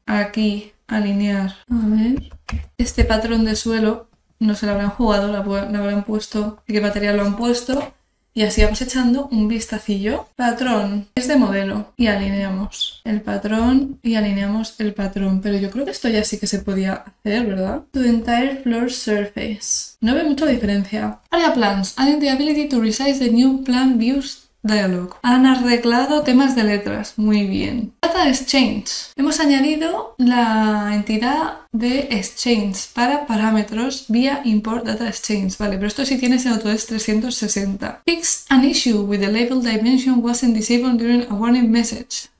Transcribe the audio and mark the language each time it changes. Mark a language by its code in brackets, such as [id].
[es] Aquí, alinear. A ver. Este patrón de suelo no se lo habrán jugado, lo habrán puesto. ¿Y qué material lo han puesto? Y así vamos echando un vistacillo. Patrón. Es de modelo. Y alineamos el patrón. Y alineamos el patrón. Pero yo creo que esto ya sí que se podía hacer, ¿verdad? [en] To the entire floor surface. [es] No veo mucha diferencia. [en] Area plans. Adding the ability to resize the new plan views dialog. [es] Han arreglado temas de letras. Muy bien. [en] Data exchange. [es] Hemos añadido la entidad de exchange para parámetros vía import data exchange. Vale, pero esto sí tienes en Autodesk 360. [en] Fix an issue with the label dimension wasn't disabled during a warning message.